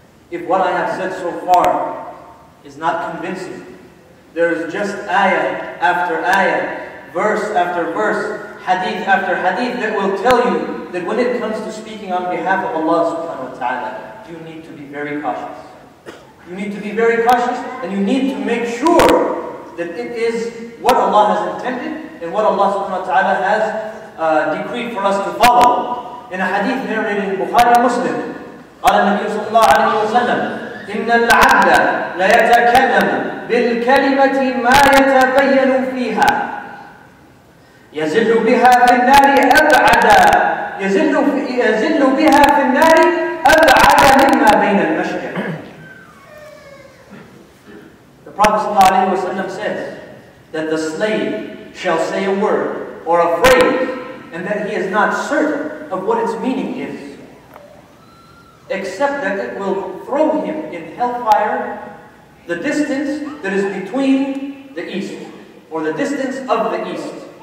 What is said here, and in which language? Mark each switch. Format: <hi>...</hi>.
<en>If what I have said so far is not convincing, there is just ayah after ayah, verse after verse, hadith after hadith that will tell you that when it comes to speaking on behalf of Allah subhanahu wa ta'ala, you need to be very cautious. You need to be very cautious and you need to make sure that it is what Allah has intended and what Allah subhanahu wa ta'ala has decreed for us to follow. In a hadith narrated in Bukhari and Muslim,</en> <ar>قال النبي صلى الله عليه وسلم إن العبد لا يتكلم بالكلمة ما يتبين فيها يزل بها في النار أبعد يزل بها في النار أبعد مما بين المشرق.</ar> <en>The Prophet صلى الله عليه وسلم says that the slave shall say a word or a phrase and that he is not certain of what its meaning is, except that it will throw him in hellfire, the distance that is between the east, or the distance of the east.</en>